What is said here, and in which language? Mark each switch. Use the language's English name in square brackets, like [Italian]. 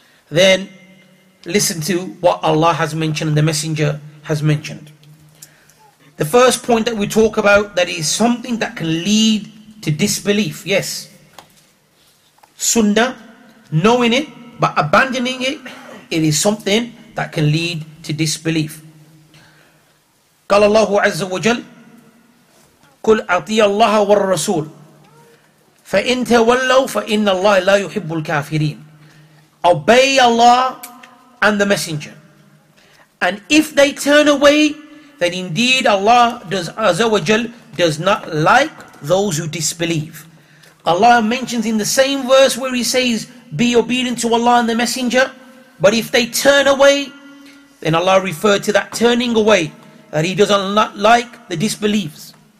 [English] Then listen to what Allah has mentioned and the Messenger has mentioned. The first point that we talk about, that is something that can lead to disbelief. Yes, sunnah, knowing it but abandoning it, it is something that can lead to disbelief. [Arabic] قال الله عز وجل قل أطيع الله والرسول فَإِنْ تَوَلَّوْا فَإِنَّ اللَّهِ لَا يُحِبُّ الْكَافِرِينَ [English] Obey Allah and the Messenger. And if they turn away, then indeed Allah does, Azza wa Jal, does not like those who disbelieve. Allah mentions in the same verse where He says, be obedient to Allah and the Messenger. But if they turn away, then Allah referred to that turning away, that He does not like the disbelievers.